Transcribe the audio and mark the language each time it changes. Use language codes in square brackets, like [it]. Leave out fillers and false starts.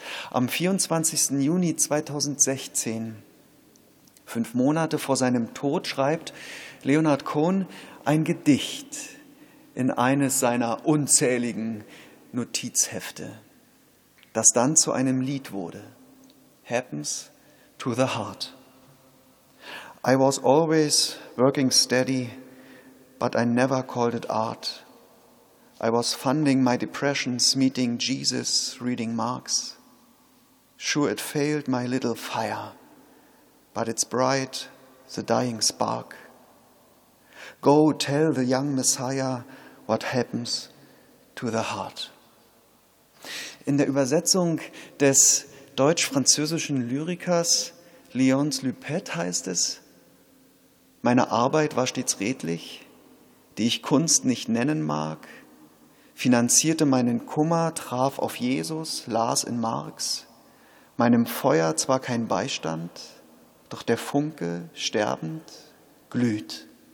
[de] Am 24. Juni 2016, 5 Monate vor seinem Tod, schreibt Leonard Cohen ein Gedicht in eines seiner unzähligen Notizhefte, das dann zu einem Lied wurde, Happens to the Heart. [en] I was always working steady, but I never called it art. I was funding my depressions, meeting Jesus, reading Marx. Sure, it failed my little fire, but it's bright, the dying spark. Go tell the young Messiah what happens to the heart. [de] In der Übersetzung des deutsch-französischen Lyrikers Léonce Lupet heißt es, meine Arbeit war stets redlich, die ich Kunst nicht nennen mag, finanzierte meinen Kummer, traf auf Jesus, las in Marx, meinem Feuer zwar kein Beistand, doch der Funke, sterbend, glüht.